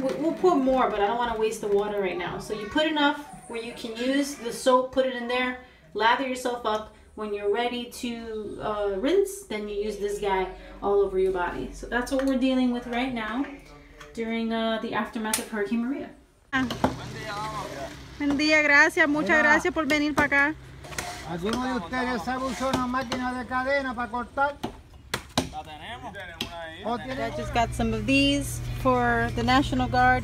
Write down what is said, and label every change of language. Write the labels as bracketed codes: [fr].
[en] We'll pour more, but I don't want to waste the water right now. So you put enough where you can use the soap, put it in there, lather yourself up. When you're ready to rinse, then you use this guy all over your body. So that's what we're dealing with right now. During the aftermath of Hurricane Maria. [es] Buen día, gracias, muchas gracias por venir para acá. ¿Alguno de ustedes sabe usar una máquina de cadena para cortar? La tenemos. [en] I just got some of these for the National Guard.